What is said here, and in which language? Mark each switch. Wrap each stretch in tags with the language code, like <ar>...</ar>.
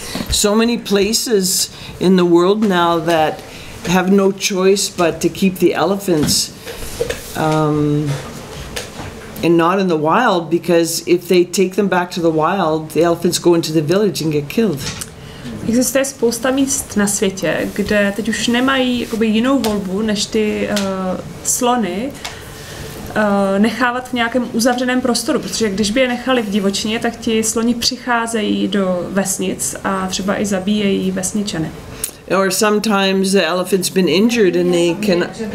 <en>So many places in the world now that have no choice but to keep the elephants and not in the wild, because if they take them back to the wild, the elephants go into the village and get killed.</en> <cs>Existuje spousta míst na světě, kde teď už nemají jakoby jinou volbu, než ty slony nechávat v nějakém uzavřeném prostoru, protože když by je nechali v divočině, tak ti sloni přicházejí do vesnic a třeba i zabíjejí vesničany.</cs> <en>Or sometimes the elephant's been injured and they can...</en>